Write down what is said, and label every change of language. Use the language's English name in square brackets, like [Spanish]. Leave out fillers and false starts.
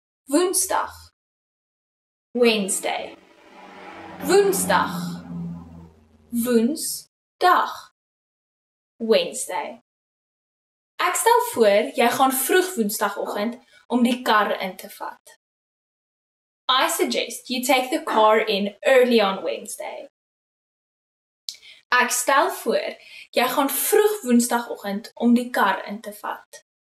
[Afrikaans] Woensdag. [English] Wednesday. [Afrikaans] Woensdag. Woensdag. [English] Wednesday. [Afrikaans] Ek stel voor jy gaan vroeg woensdagoggend om die kar in te vat. [English] I suggest you take the car in early on Wednesday. [Afrikaans] Ek stel voor, jy gaan vroeg woensdagoggend om die kar in te vat.